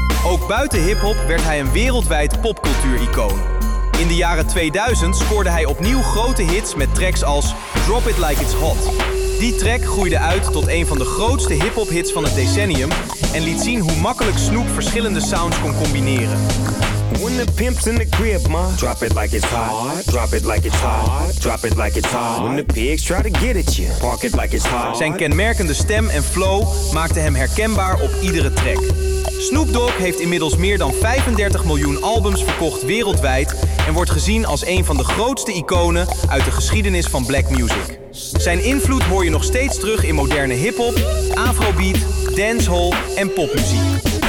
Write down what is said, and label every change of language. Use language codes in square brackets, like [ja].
[nl] Ook buiten hip-hop werd hij een wereldwijd popcultuur-icoon. In de jaren 2000 scoorde hij opnieuw grote hits met tracks als Drop It Like It's Hot, Die track groeide uit tot een van de grootste hip-hop hits van het decennium en liet zien hoe makkelijk Snoop verschillende sounds kon combineren. [en] When the pimp's in the crib, ma, drop it like it's hot. Drop it like it's hot. Drop it like it's hot. When the pigs try to get at you, park it like it's hot. [nl] Zijn kenmerkende stem en flow maakten hem herkenbaar op iedere track. Snoop Dogg heeft inmiddels meer dan 35 miljoen albums verkocht wereldwijd en wordt gezien als een van de grootste iconen uit de geschiedenis van black music. Zijn invloed hoor je nog steeds terug in moderne hip-hop, afrobeat, dancehall en popmuziek.